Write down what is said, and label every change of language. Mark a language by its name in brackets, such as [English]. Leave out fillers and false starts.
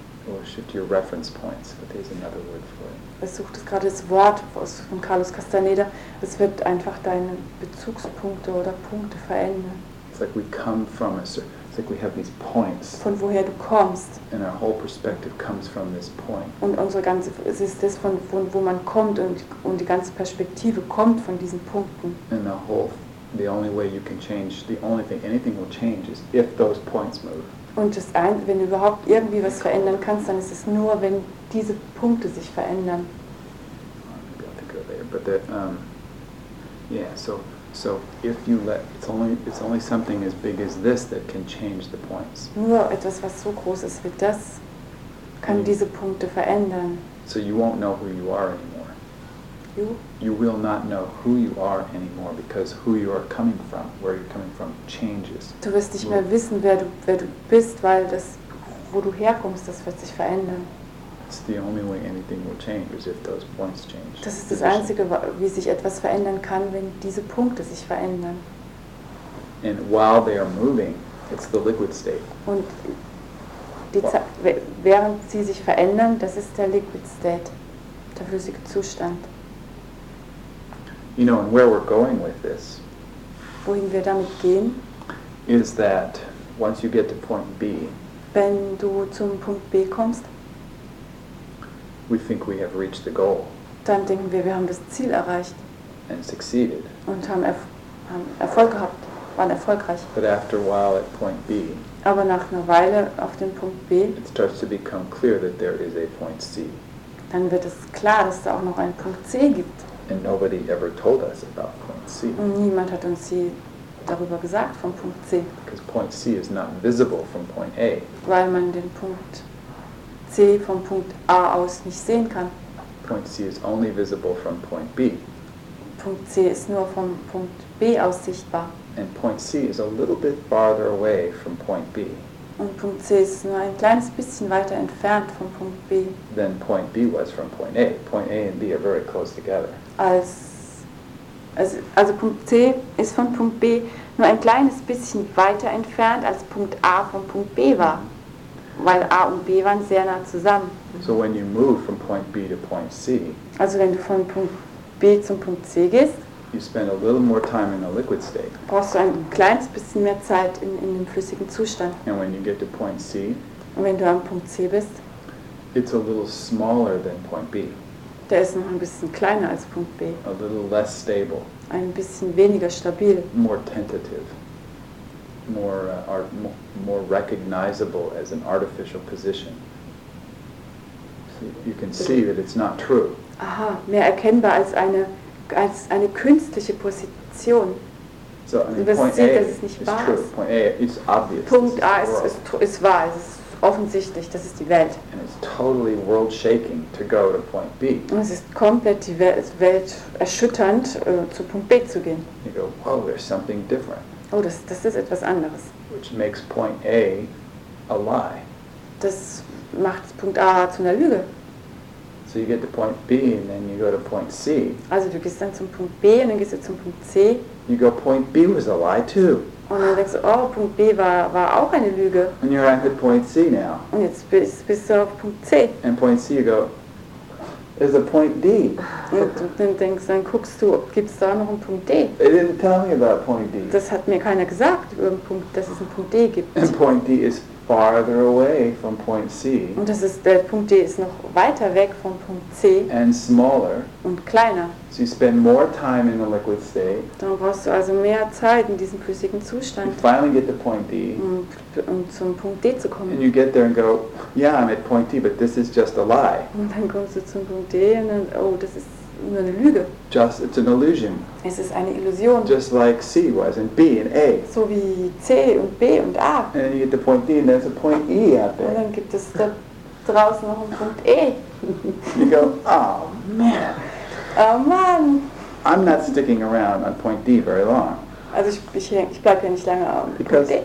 [English] Or shift your reference points, but there's another word for it. [German] Er sucht es gerade das Wort von Carlos Castaneda. Es wird einfach deine Bezugspunkte oder Punkte verändern. [English] It's like we come from a certain, it's like we have these points. [German] Von woher du kommst. [English] And our whole perspective comes from this point. [German] Und unsere ganze, es ist das, von wo man kommt und die ganze Perspektive kommt von diesen Punkten. [English] And the whole, the only way you can change, the only thing, anything will change is if those points move. [German] Und das wenn du überhaupt irgendwie was verändern kannst, dann ist es nur, wenn diese Punkte sich verändern. [English] Maybe I'll think of it later, but that, yeah, so if you let, it's only something as big as this that can change the points. [German] Nur etwas, was so groß ist wie das, kann diese Punkte verändern. [English] So you won't know who you are anymore. You? You will not know who you are anymore, because who you are coming from, where you're coming from, changes. [German] Du wirst nicht mehr wissen, wer du bist, weil das, wo du herkommst, das wird sich verändern. [English] It's the only way anything will change is if those points change. [German] Das ist das Einzige, wie sich etwas verändern kann, wenn diese Punkte sich verändern. [English] And while they are moving, it's the liquid state. [German] Und die während sie sich verändern, das ist der liquid state, der flüssige Zustand. [English] You know, and where we're going with this, [German] wohin wir damit gehen, [English] is that once you get to point B, [German] wenn du zum Punkt B kommst, [English] we think we have reached the goal. [German] Dann denken wir haben das Ziel erreicht. [English] And succeeded. [German] Und haben Erfolg gehabt, waren erfolgreich. [English] But after a while at point B, [German] aber nach einer Weile auf dem Punkt B, [English] it starts to become clear that there is a point C. [German] Dann wird es klar, dass da auch noch einen Punkt C gibt. [English] And nobody ever told us about point C. [German] Und niemand hat uns sie darüber gesagt von Punkt C. [English] Because point C is not visible from point A. [German] Weil man den Punkt C vom Punkt A aus nicht sehen kann. [English] Point C is only visible from point B. [German] Punkt C ist nur vom Punkt B aus sichtbar. [English] And point C is a little bit farther away from point B. [German] Und Punkt C ist nur ein kleines bisschen weiter entfernt von Punkt B. [English] Than point B was from point A. Point A and B are very close together. [German] Also Punkt C ist von Punkt B nur ein kleines bisschen weiter entfernt als Punkt A von Punkt B war. Weil A und B waren sehr nah zusammen. [English] So when you move from point B to point C, [German] also wenn du von Punkt B zum Punkt C gehst, [English] you spend a little more time in a liquid state. [German] Brauchst du ein kleines bisschen mehr Zeit in dem flüssigen Zustand. [English] And when you get to point C, [German] und wenn du am Punkt C bist, [English] it's a little smaller than point B. [German] Der ist noch ein bisschen kleiner als Punkt B. [English] A little less stable. [German] Ein bisschen weniger stabil. [English] More tentative. More recognizable as an artificial position. So you can see that it's not true. [German] Aha, mehr erkennbar als eine künstliche Position. [English] So, I mean, point [German] sieht, [English] A [German] ist nicht wahr. [English] True. Point A is obvious. [German] Punkt A ist wahr. Es ist offensichtlich, das ist die Welt. [English] And it's totally world shaking to go to point B. [German] Und es ist komplett die Welt erschütternd, zu Punkt B zu gehen. [English] You go, wow, there's something different. [German] Oh, das ist etwas anderes. [English] Which makes point A a lie. [German] Das macht Punkt A zu einer Lüge. [English] So you get to point B and then you go to point C. [German] Also du gehst dann zum Punkt B und dann gehst du zum Punkt C. [English] You go, point B was a lie too. [German] Und dann denkst du, oh, Punkt B war auch eine Lüge. [English] And you're at point C now. [German] Und jetzt bist du auf Punkt C. [English] And point C you go, there's a point D. [German] Und dann guckst du, gibt's da noch einen Punkt D? [English] They didn't tell me about point D. [German] Das hat mir keiner gesagt, dass es einen Punkt D gibt. [English] And point D is farther away from point C. [German] Und das ist der Punkt D ist noch weiter weg von Punkt C. [English] And smaller. [German] Und kleiner. [English] So you spend more time in the liquid state. [German] Dann brauchst du also mehr Zeit in diesem flüssigen Zustand. [English] You finally get to point D. [German] Um zum Punkt D zu kommen. [English] And you get there and go, yeah, I'm at point D, but this is just a lie. [German] Und dann kommst du zum Punkt D und dann, oh, das ist nur eine Lüge. [English] Just, it's an illusion. [German] Es ist eine Illusion. [English] Just like C was, and B and A. [German] So wie C und B und A. [English] And then you get to point D, and there's a point E out there. [German] Und dann gibt es da draußen noch einen Punkt E. [English] You go, oh man. [German] Oh man. [English] I'm not sticking around on point D very long. [German] Also ich bleibe hier nicht lange auf Punkt D.